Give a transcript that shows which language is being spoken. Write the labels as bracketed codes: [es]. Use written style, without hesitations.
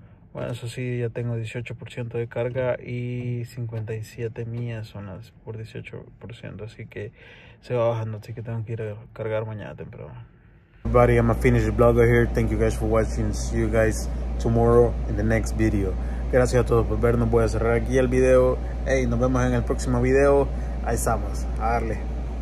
[es] Bueno, eso sí, ya tengo 18% de carga y 57 millas son las por 18%, así que se va bajando, así que tengo que ir a cargar mañana temprano. [en] Everybody, I'm a finished vlogger here. Thank you guys for watching. See you guys tomorrow in the next video. [es] Gracias a todos por vernos. Voy a cerrar aquí el video. Hey, nos vemos en el próximo video. Ahí estamos. A darle.